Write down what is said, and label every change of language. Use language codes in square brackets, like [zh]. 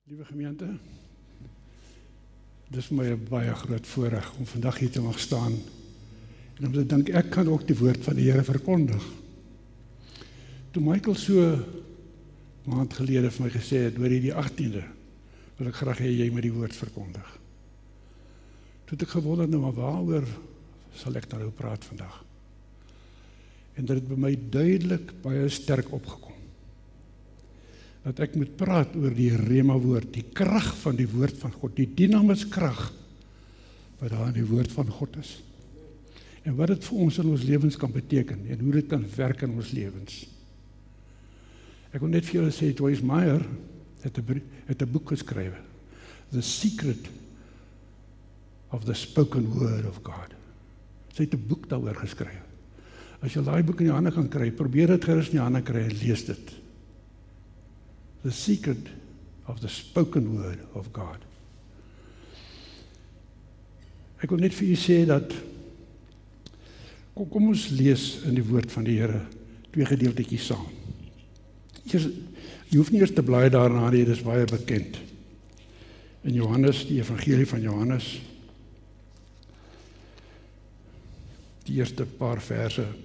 [af] Liewe gemeente, dit is vir my 'n baie groot voorreg om vandag hier te mag staan en om te dink ek kan ook die woord van die Here verkondig. Toe Michael so maand gelede vir my gesê het oor hierdie 18de, wil ek graag hê jy moet die woord verkondig. Toe het ek gewonder nou maar waaroor sal ek daarop praat vandag. En dit het by my duidelik baie sterk opgekom. Dat ek moet praat oor die rema woord, die krag van die woord van God, die dynamis krag wat daar in die woord van God is. En wat dit vir ons in ons lewens kan beteken en hoe dit kan werk in ons lewens. Ek wil net vir julle sê, Joyce Meyer het 'n boek geskrywe, The Secret of the Spoken Word of God. Sy het 'n boek daaroor geskrywe. As jy daai boek in die hande kan kry, probeer dit gerus in die hande kry en lees dit. [en] The secret of the spoken word of God. [af] Ek wil net vir u sê dat, kom ons lees in die woord van die Here twee gedeeltetjies saam. Jy hoef nie eers te blaai daarna, dit is baie bekend. In Johannes, die evangelie van Johannes, die eerste paar verse.